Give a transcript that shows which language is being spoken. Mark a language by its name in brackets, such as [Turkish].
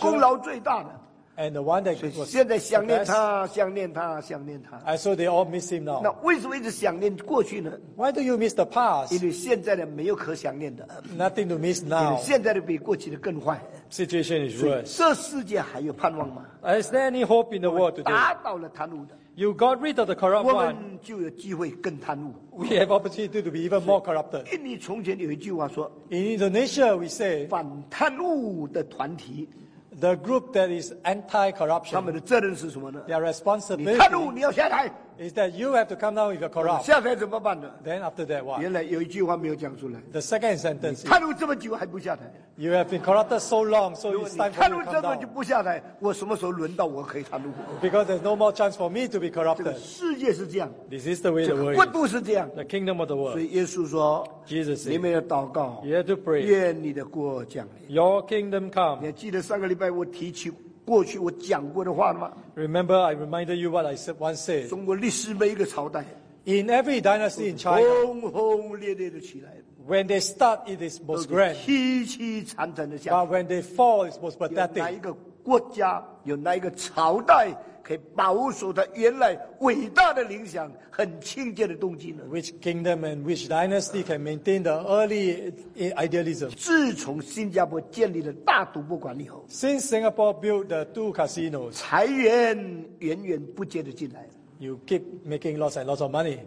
[Chinese] 功劳最大的。 [English] And the one that was the best. [Chinese] 现在想念他。 [English] And so they all miss him now. [Chinese] 那为什么一直想念过去呢? [English] Why do you miss the past? [Chinese] 因为现在的没有可想念的。 [English] Nothing to miss now. [Chinese] 因为现在的比过去的更坏。 [English] Situation is worse. [Chinese] 这世界还有盼望吗? [English] Is there any hope in the world today? [Chinese] 打倒了贪污的。 [English] You got rid of the corrupt one. [Chinese] 我们就有机会更贪污。 [English] We have opportunity to be even more corrupted. [Chinese] 印尼从前有一句话说, [English] In Indonesia we say, [Chinese] 反贪污的团体, [English] the group that is anti-corruption, [Chinese] 他们的责任是什么呢? [English] Their responsibility [Chinese] 你贪污, 你要下台, [English] is that you have to come down if you're corrupt. [Chinese] 下台怎么办呢? [English] Then after that, what? [Chinese] 原来有一句话没有讲出来。 [English] The second sentence. [Chinese] 你贪污这么久还不下台。 [English] You have been corrupted so long, so it's time for you to come down. [Chinese] 你贪污这么久不下台, 我什么时候轮到我可以贪污? [English] Because there's no more chance for me to be corrupted. [Chinese] 这个世界是这样, [English] this is the way the world is. [Chinese] 这个国度是这样, [English] the kingdom of the world. [Chinese] 所以耶稣说, [English] Jesus said, [Chinese] 你们要祷告, [English] you have to pray. [Chinese] 愿你的国降临, [English] your kingdom come. [Chinese] 你还记得上个礼拜我提起, 过去我讲过的话吗? [English] Remember, I reminded you what I once said. [Chinese] 中国历史每一个朝代, [English] in every dynasty in China, [Chinese] 轰轰烈烈的起来, [English] when they start, it is most grand. [Chinese] 凄凄惨惨的下去, [English] but when they fall, it's most pathetic. [Chinese] 有哪一个国家, 有哪一个朝代, 可以保守的原来伟大的理想,很清洁的动机呢? [English] Which kingdom and which dynasty can maintain the early idealism? [Chinese] 自从新加坡建立了大赌博馆以后, [English] since Singapore built the two casinos, [Chinese] 财源源源不绝的进来, [English] you keep making lots and lots of money.